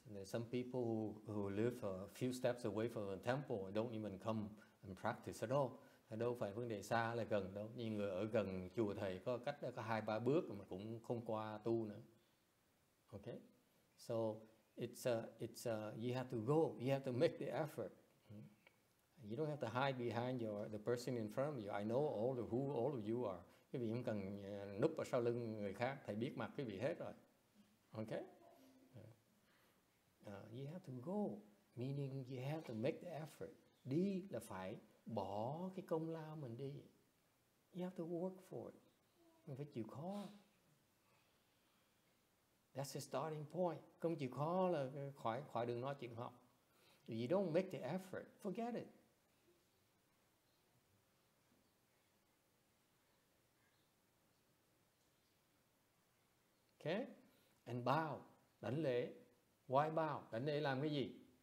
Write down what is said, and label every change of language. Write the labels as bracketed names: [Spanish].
[English] There's some people who live a few steps away from the temple and don't even come and practice at all. [Vietnamese] Đâu phải vấn đề xa là gần đâu. Nhưng người ở gần chùa thầy có cách có 2-3 bước mà cũng không qua tu nữa. [English] Okay. So you have to go. You have to make the effort. You don't have to hide behind the person in front of you. I know all of you are. [Vietnamese] Quý vị không cần núp ở sau lưng người khác. Thầy biết mặt quý vị hết rồi. [English] Okay. You have to go, meaning you have to make the effort. [Vietnamese] Đi là phải bỏ cái công lao mình đi. [English] You have to work for it. [Vietnamese] Mình phải chịu khó. [English] That's the starting point. [Vietnamese] Không chịu khó là khỏi đừng nói chuyện học. [English] If you don't make the effort, forget it. Okay? And bow, [Vietnamese] đảnh lễ. [English] Why bow? [Vietnamese] Đảnh lễ làm cái gì?